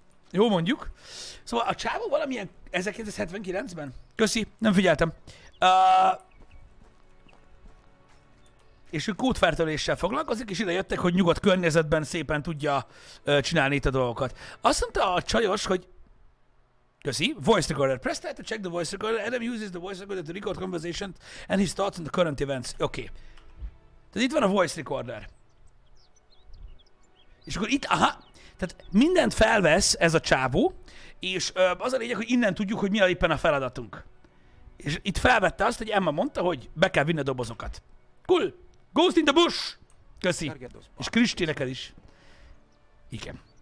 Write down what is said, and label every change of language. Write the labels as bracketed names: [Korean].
[Hungarian] Jó, mondjuk. Szóval a csávó valamilyen 1979-ben? Köszi, nem figyeltem. És ő kódfertőléssel foglalkozik, és ide jöttek, hogy nyugodt környezetben szépen tudja csinálni itt a dolgokat. Azt mondta a csajos, hogy... Köszi, voice recorder. [English] Press that to check the voice recorder. Adam uses the voice recorder to record conversation and his thoughts on the current events. Oké. Okay. [Hungarian] Tehát itt van a voice recorder. És akkor itt, aha, tehát mindent felvesz ez a csávó, és az a lényeg, hogy innen tudjuk, hogy mi a éppen a feladatunk. És itt felvette azt, hogy Emma mondta, hogy be kell vinni a dobozokat. [English] Cool! Ghost in the bush! [Hungarian] Köszi! És Kristi, neked is. Igen.